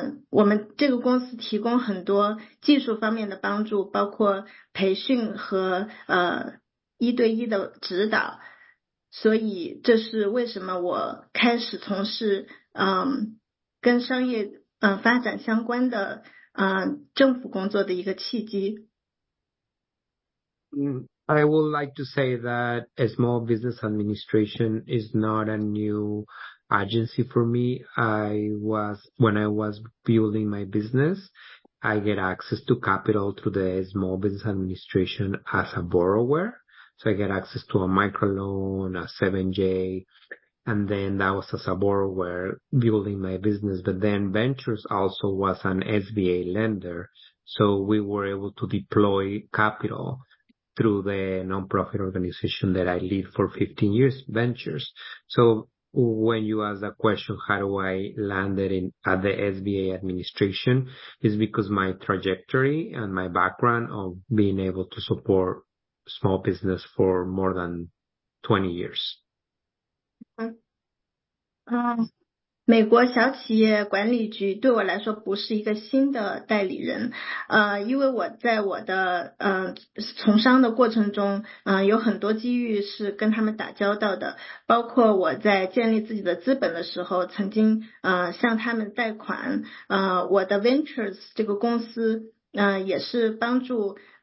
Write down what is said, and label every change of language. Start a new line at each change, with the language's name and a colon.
Chinese: 我们这个公司提供很多技术方面的帮助，包括培训和一对一的指导，所以这是为什么我开始从事跟商业发展相关的政府工作的一个契机。
English: I would like to say that a small business administration is not a new agency for me. When I was building my business, I get access to capital through the small business administration as a borrower. So I get access to a microloan, a 7J, and then that was as a borrower building my business. But then Ventures also was an SBA lender, so we were able to deploy capital through the nonprofit organization that I lead for 15 years, Ventures. So when you ask the question, how do I land it at the SBA administration, is because my trajectory and my background of being able to support small business for more than 20 years.
Chinese: 美国小企业管理局对我来说不是一个新的代理人，因为我在我的从商的过程中，有很多机遇是跟他们打交道的，包括我在建立自己的资本的时候，曾经向他们贷款，我的 Ventures 这个公司，也是帮助